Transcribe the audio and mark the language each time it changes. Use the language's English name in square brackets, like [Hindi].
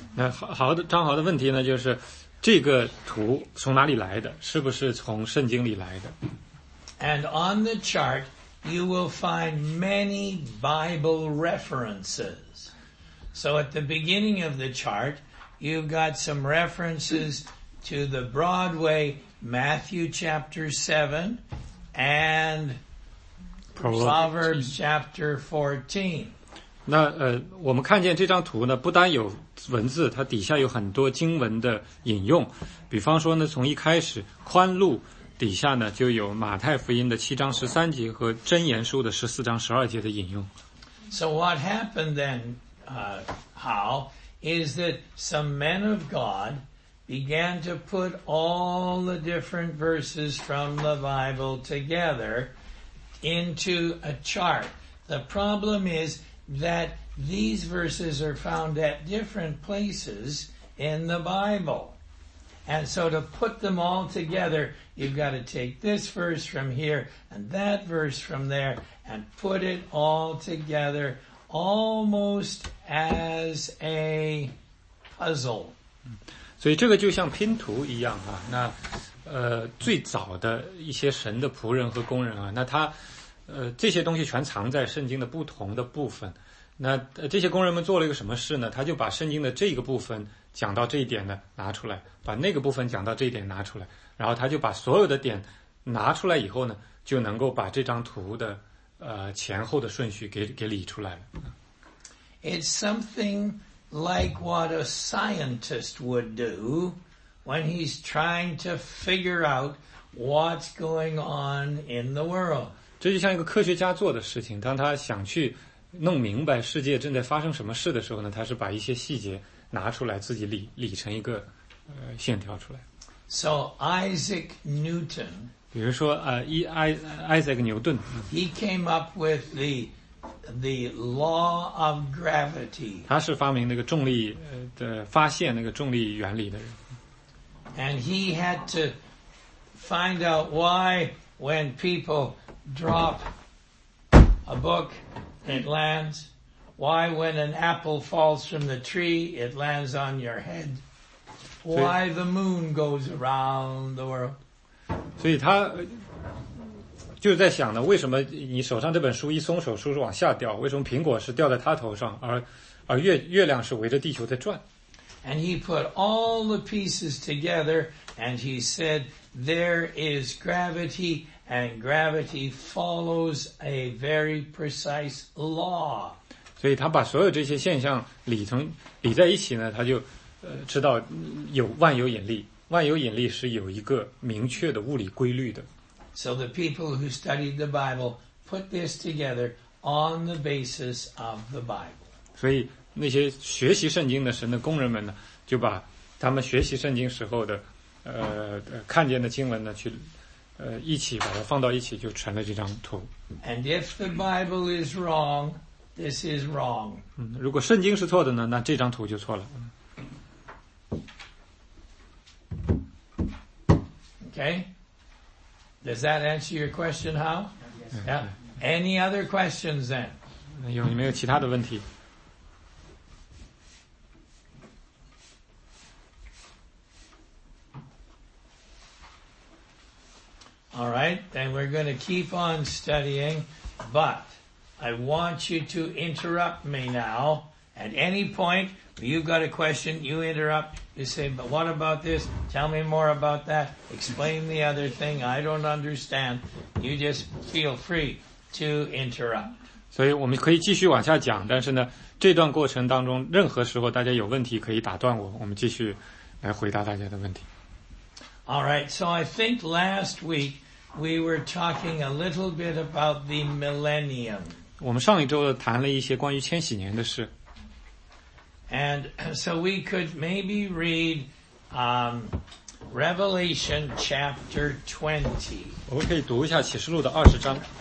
[Chinese] 那好的，张豪的问题呢，就是这个图从哪里来的？是不是从圣经里来的 [English] ？And on the chart, you will find many Bible references. So at the beginning of the chart. You've got some references to the Broadway Matthew chapter 7 and Proverbs chapter 14. [Chinese] 那我们看见这张图呢，不单有文字，它底下有很多经文的引用。比方说呢，从一开始宽路底下呢，就有马太福音的7章13节和箴言书的14章12节的引用。 [English] So what happened then, how? Is that some men of God began to put all the different verses from the Bible together into a chart. The problem is that these verses are found at different places in the Bible. And so to put them all together, you've got to take this verse from here and that verse from there and put it all together. Almost as a puzzle. [Chinese] 所以这个就像拼图一样啊。那最早的一些神的仆人和工人啊，那他这些东西全藏在圣经的不同的部分。那这些工人们做了一个什么事呢？他就把圣经的这个部分讲到这一点呢拿出来，把那个部分讲到这一点拿出来，然后他就把所有的点拿出来以后呢，就能够把这张图的前后的顺序给理出来了。 [English] It's something like what a scientist would do when he's trying to figure out what's going on in the world. [Chinese] 这就像一个科学家做的事情，当他想去弄明白世界正在发生什么事的时候呢，他是把一些细节拿出来自己理成一个线条出来。 [English] So Isaac Newton. [Chinese] 比如说Isaac Newton, [English] he came up with the law of gravity. [Chinese] 他是发明那个重力的发现那个重力原理的人。 [English] And he had to find out why when people drop a book, it lands. Why when an apple falls from the tree, it lands on your head. Why the moon goes around the world. [Chinese] 所以他就在想呢，为什么你手上这本书一松手，书是往下掉？为什么苹果是掉在他头上，而月亮是围着地球在转 [English] ？And he put all the pieces together, and he said, "There is gravity, and gravity follows a very precise law." [Chinese] 所以他把所有这些现象理在一起呢，他就知道有万有引力。万有引力是有一个明确的物理规律的。 [English] So the people who studied the Bible put this together on the basis of the Bible. [Chinese] 所以那些学习圣经的神的工人们呢，就把他们学习圣经时候的看见的经文呢，去一起把它放到一起就成了这张图。 [English] And if the Bible is wrong, this is wrong. [Chinese] 如果圣经是错的呢，那这张图就错了。 [English] Okay, does that answer your question, Hao? Yes. Yeah. Any other questions then? [Chinese] 有没有其他的问题？ [English] All right, then we're going to keep on studying, but I want you to interrupt me now. At any point, you've got a question, you interrupt, you say, but what about this? Tell me more about that. Explain the other thing. I don't understand. You just feel free to interrupt. [Chinese] 所以我们可以继续往下讲，但是呢，这段过程当中，任何时候大家有问题可以打断我，我们继续来回答大家的问题。 [English] All right, so I think last week we were talking a little bit about the millennium. [Chinese] 我们上一周谈了一些关于千禧年的事。 [English] And so we could maybe read Revelation chapter 20. [Chinese] 我们可以读一下启示录的二十章。